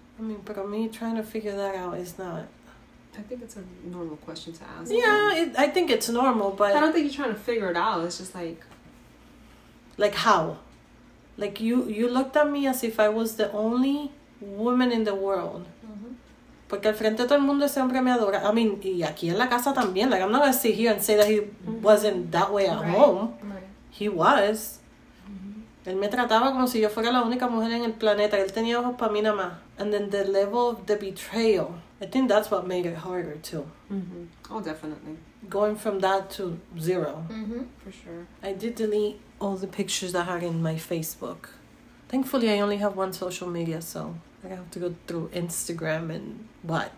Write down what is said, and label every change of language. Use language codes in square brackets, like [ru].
[en] I mean, but me trying to figure that out is not... I think it's a normal question to ask. Yeah, I think it's normal, but... I don't think you're trying to figure it out. It's just like... Like how? Like, you looked at me as if I was the only woman in the world. Mm-hmm. [es] Porque al frente de todo el mundo ese hombre me adora. [en] I mean, [es] y aquí en la casa también. [en] Like, I'm not going to sit here and say that he mm-hmm. wasn't that way at right. home. Right. He was. [es] Él me trataba como si yo fuera la única mujer en el planeta. Él tenía ojos para mí nada más. [en] And then the level of the betrayal. I think that's what made it harder too. Mm-hmm. Oh, definitely. Going from that to zero. Mm-hmm. For sure. I did delete all the pictures that are in my Facebook. Thankfully, I only have one social media, so I have to go through Instagram and what?